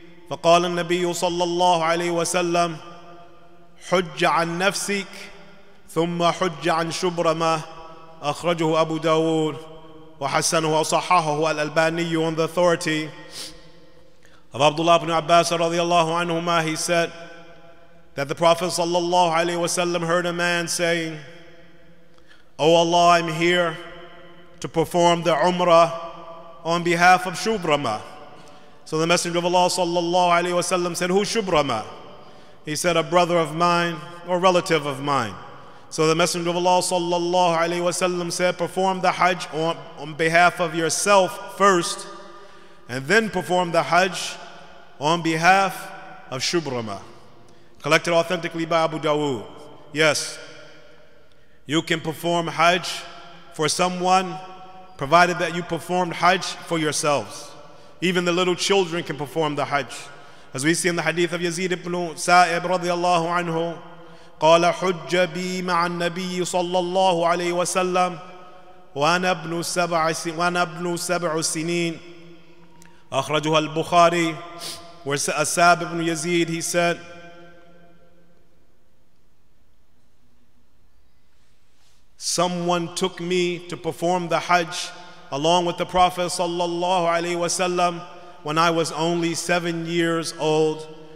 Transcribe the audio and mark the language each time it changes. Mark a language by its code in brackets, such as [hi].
[ar] Faqala an-nabiy sallallahu alayhi wa sallam حج عن نفسك ثم حج عن شبرمة. أخرجه أبو داود وحسنه وصححه الألباني. [en] On the authority of Abdullah ibn Abbas رضي الله عنهما, he said, that the Prophet sallallahu alaihi wasallam heard a man saying, O Allah, I'm here to perform the Umrah on behalf of Shubrama. So the Messenger of Allah sallallahu alaihi wasallam said, Who's Shubrama? He said, A brother of mine or relative of mine. So the Messenger of Allah sallallahu alaihi wasallam said, Perform the Hajj on behalf of yourself first, and then perform the Hajj on behalf of Shubrama. Collected authentically by Abu Dawood. Yes, you can perform Hajj for someone, provided that you performed Hajj for yourselves. Even the little children can perform the Hajj. As we see in the hadith of Yazid ibn Sa'ib radiallahu anhu, [ar] قال حج بي مع النبي صلى الله عليه وسلم وانا ابن سبع سنين أخرجها البخاري. [en] Where As'ab ibn Yazid, he said, someone took me to perform the Hajj along with the Prophet sallallahu alaihi wasallam when I was only 7 years old.